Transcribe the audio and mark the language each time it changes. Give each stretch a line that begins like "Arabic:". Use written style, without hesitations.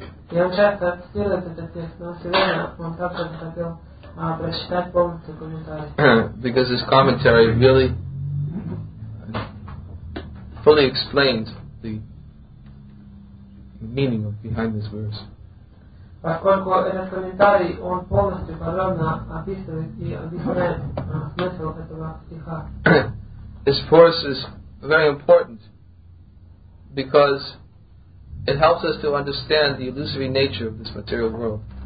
English: Because this commentary really fully explains the meaning of behind this verse.
Russian: Поскольку этот комментарий, он полностью подробно описывает и объясняет смысл этого стиха.
English: This force is very important because it helps us to understand the illusory nature of this material world.